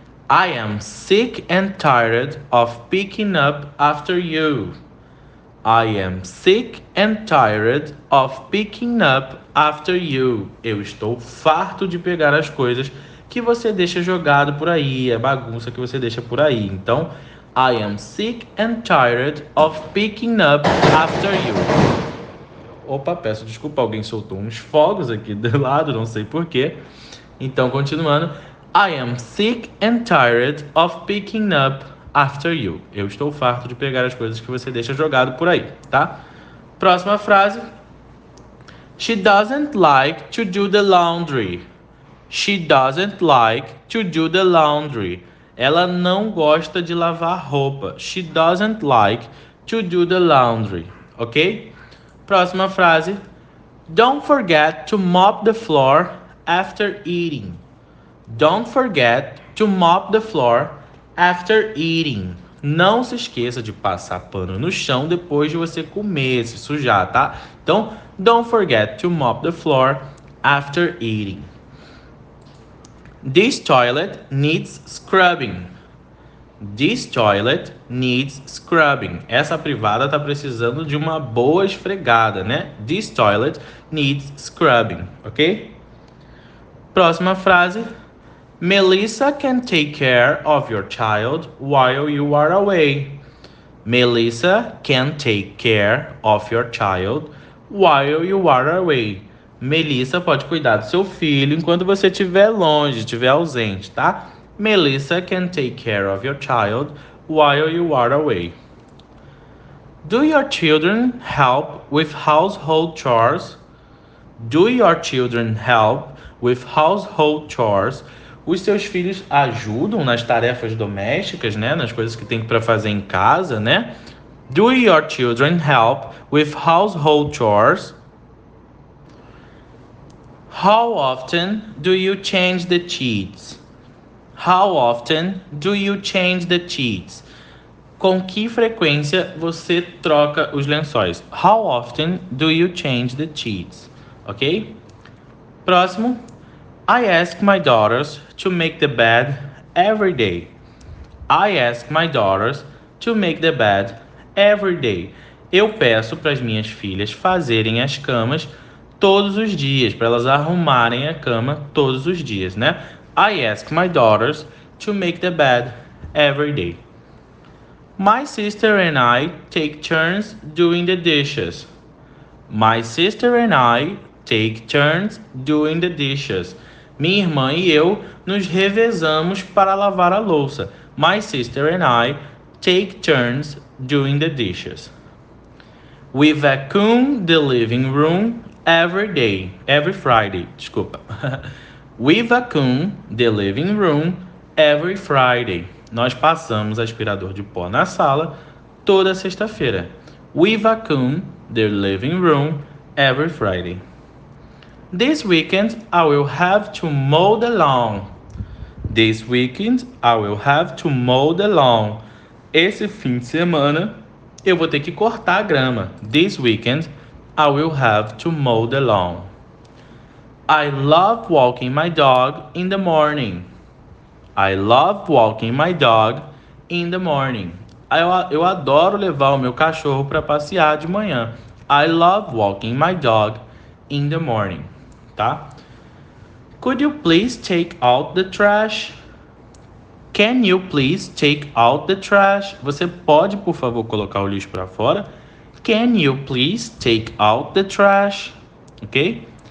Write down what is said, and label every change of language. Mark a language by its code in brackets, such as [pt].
[en] I am sick and tired of picking up after you. I am sick and tired of picking up after you. [pt] Eu estou farto de pegar as coisas que você deixa jogado por aí, a bagunça que você deixa por aí. [en] Então, I am sick and tired of picking up after you. [pt] Opa, peço desculpa, alguém soltou uns fogos aqui do lado, não sei por quê. Então, continuando. [en] I am sick and tired of picking up after you. [pt] Eu estou farto de pegar as coisas que você deixa jogado por aí, tá? Próxima frase. [en] She doesn't like to do the laundry. She doesn't like to do the laundry. [pt] Ela não gosta de lavar roupa. [en] She doesn't like to do the laundry. [pt] Ok? Próxima frase. [en] Don't forget to mop the floor after eating. Don't forget to mop the floor after eating. [pt] Não se esqueça de passar pano no chão depois de você comer, se sujar, tá? [en] Então, don't forget to mop the floor after eating. This toilet needs scrubbing. This toilet needs scrubbing. [pt] Essa privada está precisando de uma boa esfregada, né? [en] This toilet needs scrubbing, ok? [pt] Próxima frase. [en] Melissa can take care of your child while you are away. Melissa can take care of your child while you are away. [pt] Melissa pode cuidar do seu filho enquanto você estiver longe, estiver ausente, tá? [en] Melissa can take care of your child while you are away. Do your children help with household chores? Do your children help with household chores? [pt] Os seus filhos ajudam nas tarefas domésticas, né? Nas coisas que tem para fazer em casa, né? [en] Do your children help with household chores? How often do you change the sheets? How often do you change the sheets? [pt] Com que frequência você troca os lençóis? [en] How often do you change the sheets? Ok? Próximo. I ask my daughters to make the bed every day. I ask my daughters to make the bed every day. [pt] Eu peço para as minhas filhas fazerem as camas todos os dias, para elas arrumarem a cama todos os dias, né? [en] I ask my daughters to make the bed every day. My sister and I take turns doing the dishes. My sister and I take turns doing the dishes. [pt] Minha irmã e eu nos revezamos para lavar a louça. [en] My sister and I take turns doing the dishes. We vacuum the living room every Friday. Desculpa. We vacuum the living room every Friday. [pt] Nós passamos aspirador de pó na sala toda sexta-feira. [en] We vacuum the living room every Friday. This weekend I will have to mow the lawn. This weekend I will have to mow the lawn. [pt] Esse fim de semana eu vou ter que cortar a grama. [en] This weekend I will have to mow the lawn. I love walking my dog in the morning. I love walking my dog in the morning. [pt] Eu adoro levar o meu cachorro para passear de manhã. [en] I love walking my dog in the morning. Tá? Could you please take out the trash? Can you please take out the trash? [pt] Você pode, por favor, colocar o lixo para fora? [en] Can you please take out the trash? Ok?